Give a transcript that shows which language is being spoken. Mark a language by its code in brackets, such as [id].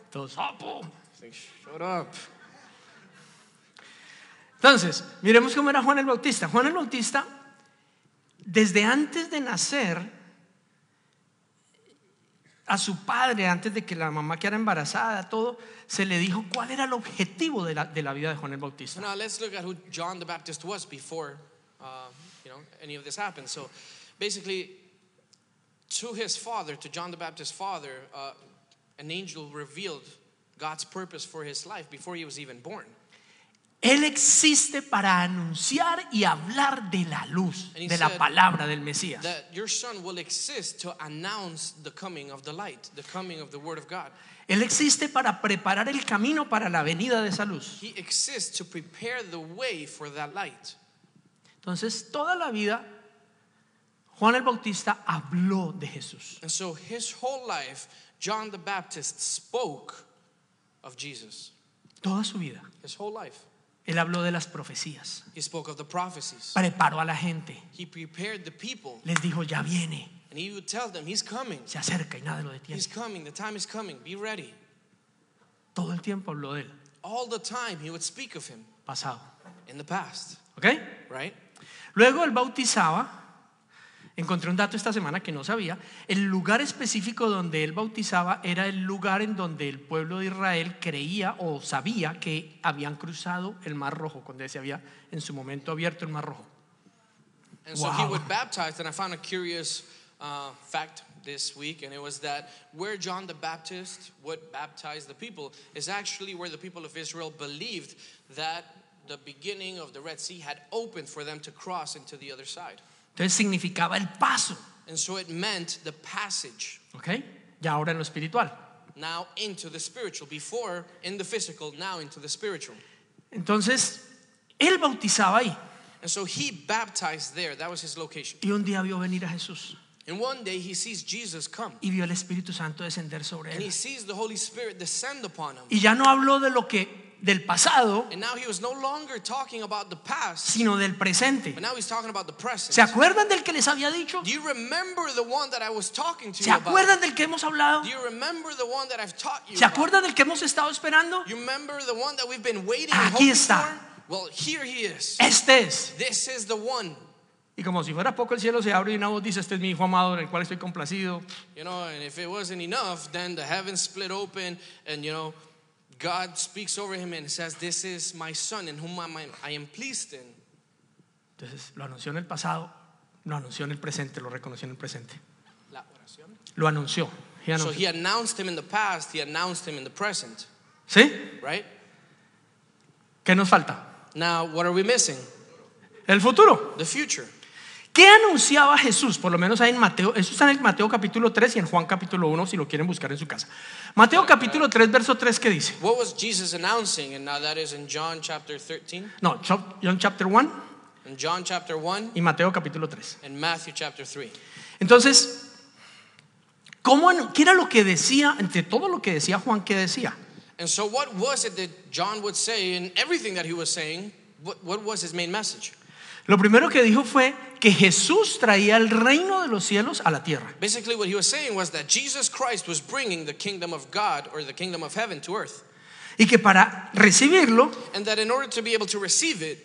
[es] Todos, boom. [en] Shut up. [es] Entonces, miremos cómo era Juan el Bautista. Juan el Bautista, desde antes de nacer, a su padre, antes de que la mamá quedara embarazada, todo, se le dijo cuál era el objetivo de la vida de Juan el Bautista. [en] Now let's look at who John the Baptist was before any of this happened. So basically, to his father, to John the Baptist's father, an angel revealed God's purpose for his life before he was even born. [es] Él existe para anunciar y hablar de la luz, de la palabra del Mesías. [en] That your son will exist to announce the coming of the light, the coming of the word of God. [es] Él existe para preparar el camino para la venida de esa luz. [en] He exists to prepare the way for that light. [es] Entonces, toda la vida Juan el Bautista habló de Jesús. [en] And so his whole life, John the Baptist spoke of Jesus. [es] Toda su vida. [en] His whole life. [es] Él habló de las profecías. [en] He spoke of the prophecies. [es] Preparó a la gente. [en] He prepared the people. [es] Les dijo, ya viene. [en] And he would tell them, he's coming. [es] Se acerca y nada lo detiene. [en] He's coming, the time is coming, be ready. [es] Todo el tiempo habló de él. [en] All the time he would speak of him. [es] Pasado. [en] In the past. Okay? Right? [es] Luego él bautizaba. Encontré un dato esta semana que no sabía. El lugar específico donde él bautizaba era el lugar en donde el pueblo de Israel creía o sabía que habían cruzado el Mar Rojo, cuando se había en su momento abierto el Mar Rojo. [en] And so wow. He would baptize, and I found a curious fact this week, and it was that where John the Baptist would baptize the people is actually where the people of Israel believed that the beginning of the Red Sea had opened for them to cross into the other side. [es] Entonces significaba el paso. [en] And so it meant the passage. Okay. [es] Y ahora en lo espiritual. [en] Now into the spiritual. Before in the physical, now into the spiritual. [es] Entonces, él bautizaba ahí. [en] And so he baptized there. That was his location. [es] Y un día vio venir a Jesús. [en] And one day he sees Jesus come. [es] Y vio el Espíritu Santo descender sobre él. [en] And he sees the Holy Spirit descend upon him. [es] Y ya no habló de lo que... del pasado, [en] and now he was no longer talking about the past, [es] sino del presente. [en] But now he's talking about the present. [es] ¿Se acuerdan del que les había dicho? [en] Do you remember the one that I was talking to you [es] ¿Se acuerdan [en] about? [es] Del que hemos hablado? [en] Do you remember the one that I've taught you [es] ¿Se acuerdan del que hemos estado esperando? [en] You remember the one that we've been waiting [es] Aquí [en] and hoping [es] está. [en] For? Well, here he is. [es] Este es. [en] This is the one. [es] Y como si fuera poco, el cielo se abre y una voz dice, este es mi hijo amado en el cual estoy complacido. [en] You know, and if it wasn't enough, then the heavens split open and you know, God speaks over him and says, this is my son in whom I am pleased in. [es] Entonces, lo anunció en el pasado, lo anunció en el presente, lo reconoció en el presente. La oración. Lo anunció. He anunció. [en] So he announced him in the past, he announced him in the present. [es] ¿Sí? [en] Right? [es] ¿Qué nos falta? [en] Now, what are we missing? [es] El futuro. [en] The future. [es] ¿Qué anunciaba Jesús? Por lo menos ahí en Mateo, eso está en el Mateo capítulo 3 y en Juan capítulo 1 si lo quieren buscar en su casa. Mateo capítulo 3 verso 3, ¿qué dice? [en] What was Jesus announcing? And now that is in John chapter 13. No, John chapter 1. In John chapter 1. [es] Y Mateo capítulo 3. [en] In Matthew chapter 3. [es] Entonces, ¿cómo, qué era lo que decía entre todo lo que decía Juan, qué decía? [en] And so what was it that John would say in everything that he was saying? What was his main message? [es] Lo primero que dijo fue que Jesús traía el reino de los cielos a la tierra. [en] Basically what he was saying was that Jesus Christ was bringing the kingdom of God or the kingdom of heaven to earth. [es] Y que para recibirlo, [en] and that in order to be able to receive it,